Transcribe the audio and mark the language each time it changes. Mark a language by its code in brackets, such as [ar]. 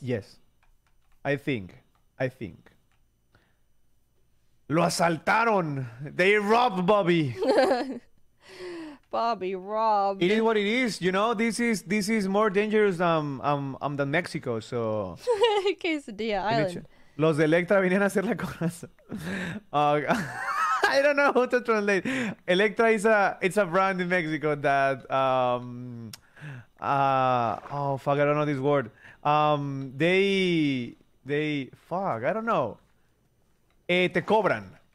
[en] Yes. I think. [es] Lo asaltaron. [en] They robbed Bobby. Bobby robbed. It is what it is. You know, this is more dangerous than Mexico. So. Quesadilla Island. [es] Los de Electra vinieron a hacer la corazón. [en] I don't know how to translate. Electra is a brand in Mexico that I don't know this word. They fuck, I don't know. [es] Te cobran.